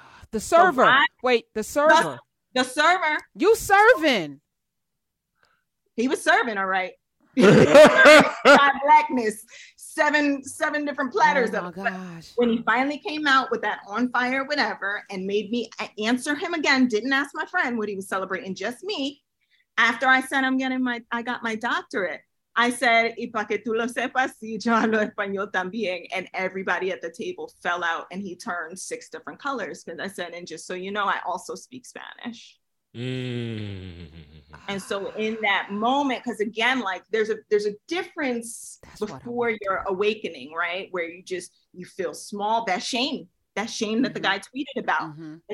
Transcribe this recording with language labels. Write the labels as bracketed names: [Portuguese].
[English] The server. The server. You serving. He was serving, all right. God, blackness. Seven different platters. Oh, my gosh. But when he finally came out with that on fire whatever and made me answer him again, didn't ask my friend what he was celebrating, just me. After I said I got my doctorate, I said, [Spanish] y pa que tú lo sepas, sí, yo hablo español también. [English] And everybody at the table fell out and he turned six different colors because I said, and just so you know, I also speak Spanish. Mm. And so in that moment, because again, like there's a difference. That's before your awakening, right? Where you just, you feel small, that shame mm-hmm. that the guy tweeted about, mm-hmm.